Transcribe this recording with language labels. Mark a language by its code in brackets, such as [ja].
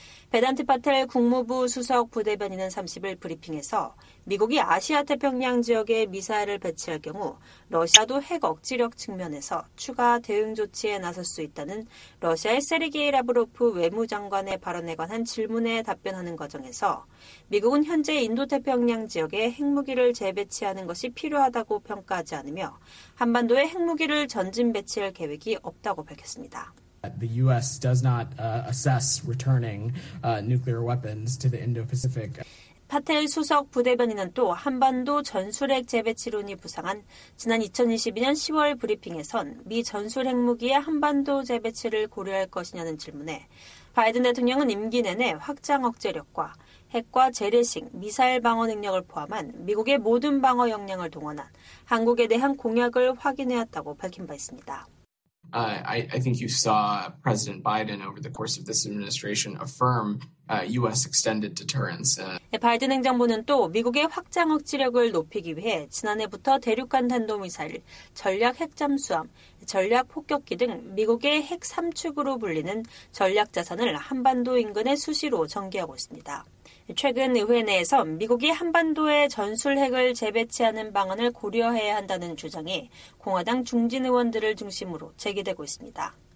[ko] 베단트 파텔 국무부 수석 부대변인은 30일 브리핑에서 미국이 아시아 태평양 지역에 미사일을 배치할 경우 러시아도 핵 억지력 측면에서 추가 대응 조치에 나설 수 있다는 러시아의 세르게이 라브로프 외무장관의 발언에 관한 질문에 답변하는 과정에서 미국은 현재 인도태평양 지역에 핵무기를 재배치하는 것이 필요하다고 평가하지 않으며 한반도에 핵무기를 전진 배치할 계획이 없다고 밝혔습니다. [en] The U.S. does not assess returning nuclear weapons to the Indo-Pacific. [ko] 파텔 수석 부대변인은 또 한반도 전술핵 재배치론이 부상한 지난 2022년 10월 브리핑에선 미 전술 핵무기의 한반도 재배치를 고려할 것이냐는 질문에 바이든 대통령은 임기 내내 확장 억제력과 핵과 재래식, 미사일 방어 능력을 포함한 미국의 모든 방어 역량을 동원한 한국에 대한 공약을 확인해왔다고 밝힌 바 있습니다. [en] I think you saw President Biden over the course of this administration affirm U.S. extended deterrence. [ko] 바이든 행정부는 또 미국의 확장 억지력을 높이기 위해 지난해부터 대륙간 탄도미사일, 전략 핵잠수함, 전략 폭격기 등 미국의 핵 3축으로 불리는 전략 자산을 한반도 인근에 수시로 전개하고 있습니다. 최근 의회 내에서 미국이 한반도에 전술 핵을 재배치하는 방안을 고려해야 한다는 주장이 공화당 중진 의원들을 중심으로 제기되고 있습니다.